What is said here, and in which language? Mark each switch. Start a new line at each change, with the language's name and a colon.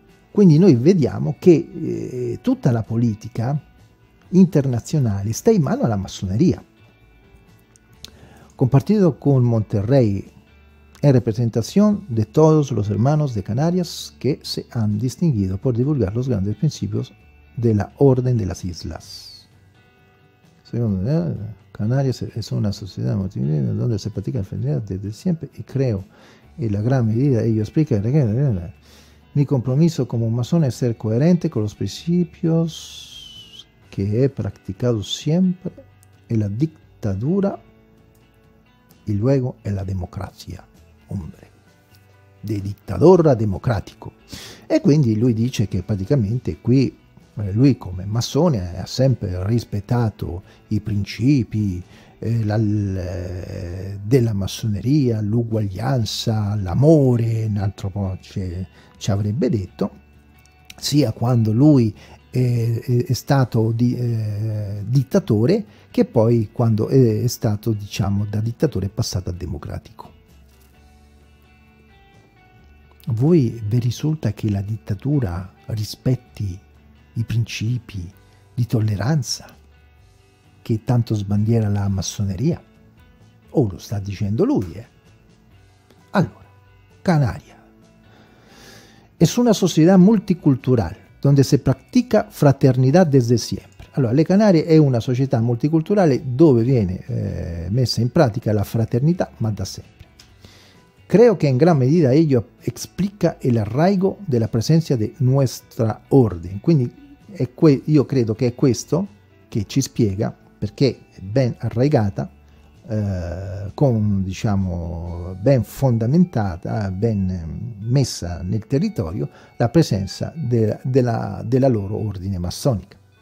Italian: Quindi noi vediamo che tutta la politica internazionale sta in mano alla massoneria.
Spanish: Compartito con Monterrey en representación de todos los hermanos de Canarias que se han distinguido por divulgar los grandes principios de la Orden de las Islas. Segundo, Canarias es una sociedad multilingüe donde se practica la fraternidad desde siempre y creo en la gran medida, ello explica, mi compromiso como masón es ser coherente con los principios que he practicado siempre en la dictadura y luego en la democracia, hombre, de dictador a democrático.
Italian: E quindi lui dice che praticamente qui lui come massone ha sempre rispettato i principi della massoneria, l'uguaglianza, l'amore, un altro po' ci avrebbe detto, sia quando lui è stato dittatore che poi quando è stato, diciamo, da dittatore passato a democratico. Voi vi risulta che la dittatura rispetti i principi di tolleranza che tanto sbandiera la massoneria? O lo sta dicendo lui, Allora, Canaria.
Spanish: Es una sociedad multicultural donde se practica fraternidad desde siempre.
Italian: Allora, le Canarie è una società multiculturale dove viene messa in pratica la fraternità, ma da sempre.
Spanish: Creo que en gran medida ello explica el arraigo de la presencia de nuestra orden.
Italian: Quindi, io credo che è questo che ci spiega perché è ben arraigata, diciamo, ben fondamentata, ben messa nel territorio la presenza della loro ordine massonica.